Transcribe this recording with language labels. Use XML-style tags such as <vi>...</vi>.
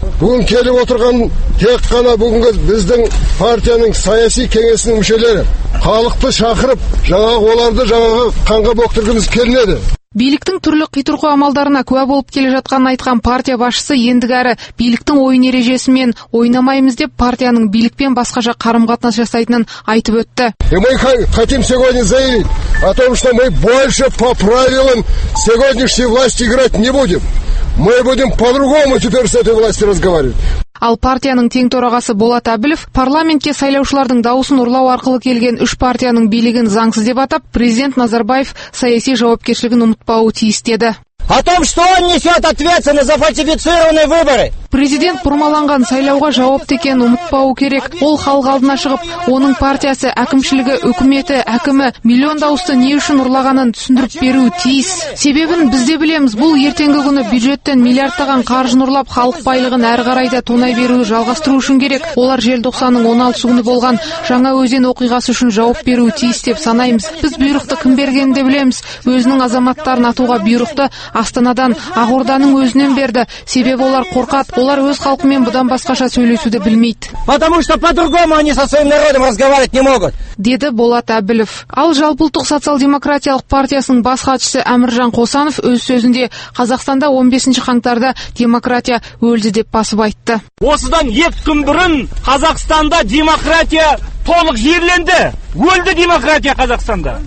<kk>Бүгін келіп отырған тек қана бүгінгі біздің партияның саяси кеңесінің мүшелері халықты шақырып, жаңағы оларды жаңағы қанға боқтыргіміз келмеді. Биліктің түрлі қитұрқы амалдарына куә болып келе жатқанын айтқан партия басшысы ендігәрі биліктің ойын ережесімен ойнамаймыз деп партияның билікпен басқаша қарым-қатынас жасайтынын айтып өтті.</kk> <ru>Мы хотим сегодня заявить о том, что мы больше по правилам сегодняшней власти играть не будем. Мы будем по-другому теперь с этой властью разговаривать.</ru> <kk>Ал партияның тең төрағасы Болат Әбілов парламентке сайлаушылардың даусын ұрлау арқылы келген үш партияның билігін заңсыз деп атап, президент Назарбаев саяси жауапкершілігін ұмытпауы тиіс деді.</kk> <ru>О том, что он несет ответственность за фальсифицированные выборы.</ru> <kk>Президент бұрмаланған сайлауға жауапты екенін ұмытпауы керек. Ол халық алдына шығып, оның партиясы, әкімшілігі, үкіметі, әкімі миллион дауысты не үшін ұрлағанын түсіндіріп беруі тиіс. Себебін біз де білеміз, бұл ертеңгі күні бюджеттен миллиардтаған қаржы ұрлап, халық байлығын әрі қарай да тонай беруі жалғастыру үшін керек. Олар желтоқсанның 16 күні болған жаңа өзен оқиғасы үшін жауап беруі тиіс деп санаймыз. Біз бұйрықты кім бергенін де білеміз. Өзінің азаматтарын атуға бұйрықты Астанадан, Ақорданың өзінен берді. Себебі олар қорқады. Олар өз халқымен бұдан басқаша сөйлесуді білмейді.</kk> <ru>Потому что по-другому они со своим народом разговаривать не могут.</ru> <kk>Деді Болат Әбілов. Ал Жалпыұлттық социал-демократиялық партиясының бас хатшысы Әміржан Қосанов өз сөзінде Қазақстанда 15 қаңтарда демократия өлді деп басып айтты. Осыдан 2 күн бұрын Қазақстанда демократия толық жерленді. Өлді демократия Қазақстанда.</kk>